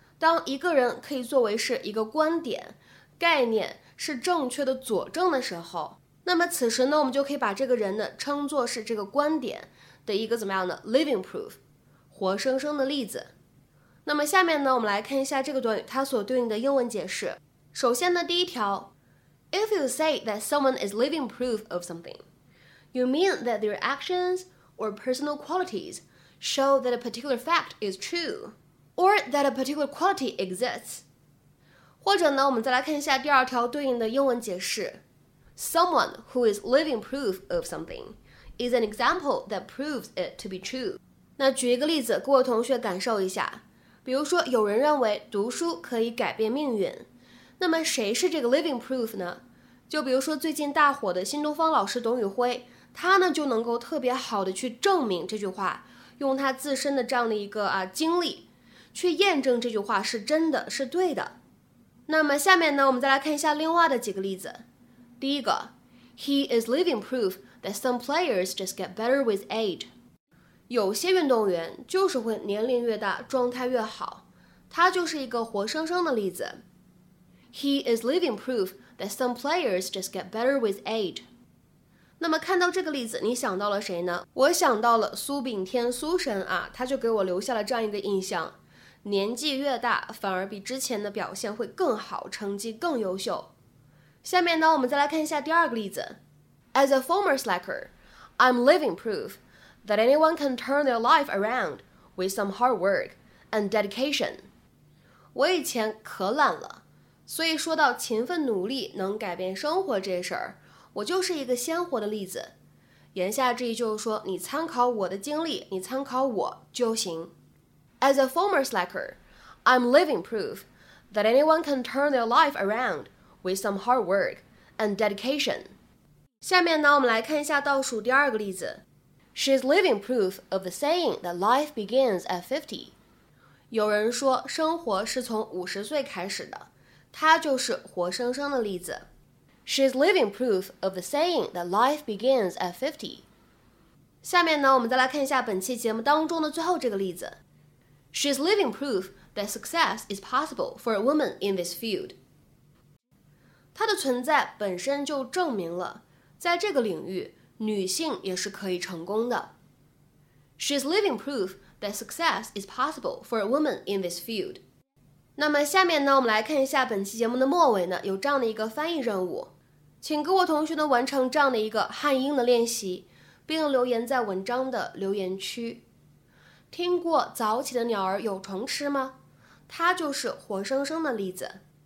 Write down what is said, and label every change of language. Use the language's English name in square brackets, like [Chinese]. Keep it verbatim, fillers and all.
[Chinese] 当一个人可以作为是一个观点概念是正确的佐证的时候，那么此时呢我们就可以把这个人呢称作是这个观点的一个怎么样的 living proof 活生生的例子。那么下面呢我们来看一下这个短语它所对应的英文解释。首先呢第一条 [English] If you say that someone is living proof of something,You mean that their actions or personal qualities show that a particular fact is true, or that a particular quality exists. [Chinese] 或者呢，我们再来看一下第二条对应的英文解释。 [English] Someone who is living proof of something is an example that proves it to be true. [Chinese] 那举一个例子，各位同学感受一下。比如说，有人认为读书可以改变命运，那么谁是这个 living proof 呢？就比如说最近大火的新东方老师董宇辉，他呢就能够特别好的去证明这句话，用他自身的这样的一个啊经历去验证这句话是真的是对的。那么下面呢我们再来看一下另外的几个例子。 [English] 第一个 He is living proof that some players just get better with age. [Chinese] 有些运动员就是会年龄越大状态越好，他就是一个活生生的例子。 [English] He is living proof that some players just get better with age. [Chinese] 那么看到这个例子你想到了谁呢？我想到了苏炳添苏神啊，他就给我留下了这样一个印象，年纪越大，反而比之前的表现会更好，成绩更优秀。下面呢，我们再来看一下第二个例子。 [English] As a former slacker, I'm living proof that anyone can turn their life around with some hard work and dedication. [Chinese] 我以前可懒了，所以说到勤奋努力能改变生活这事儿，我就是一个鲜活的例子。言下之意就是说，你参考我的经历，你参考我就行。 [English] As a former slacker, I'm living proof that anyone can turn their life around with some hard work and dedication. [Chinese] 下面呢，我们来看一下倒数第二个例子。 [English] She's living proof of the saying that life begins at fifty. [Chinese] 有人说生活是从五十岁开始的，她就是活生生的例子。 [English] She's living proof of the saying that life begins at fifty. [Chinese] 下面呢，我们再来看一下本期节目当中的最后这个例子。 [English] She's living proof that success is possible for a woman in this field. [Chinese] 她的存在本身就证明了，在这个领域，女性也是可以成功的。 [English] She's living proof that success is possible for a woman in this field. [Chinese] 那么下面呢，我们来看一下本期节目的末尾呢，有这样的一个翻译任务。请各位同学呢完成这样的一个汉英的练习，并留言在文章的留言区。听过早起的鸟儿有虫吃吗？它就是活生生的例子。